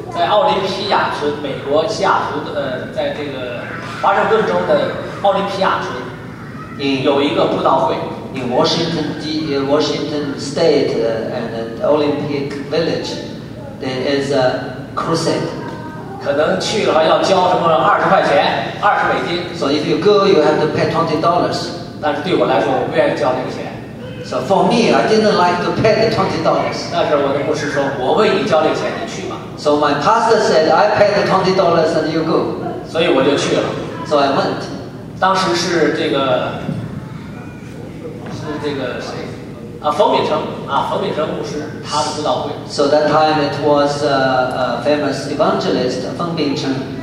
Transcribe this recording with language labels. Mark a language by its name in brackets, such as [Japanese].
[Chinese] 在奥林匹亚村，美国西雅图的，在这个华盛顿州的奥林匹亚村， [English] in, [Chinese] 有一个布道会。 [English] In Washington, Washington State and the Olympic Village, there is a crusade. [Chinese] 可能去的话要交什么20块钱，20美金。 [English] So if you go, you have to pay $20. [Chinese] 但是对我来说，我不愿意交那个钱。 [English] So for me, I didn't like to pay the $20. [Chinese] 但是我的牧师说，我为你交那个钱，你去吧。 [English] So my pastor said, I pay the $20 and you go. [Chinese] 所以我就去了。 [English] So I went. [Chinese] 当时是这个，谁？冯炳成啊，冯炳成牧师。 [English] So that time it was a famous evangelist, Feng Bingcheng.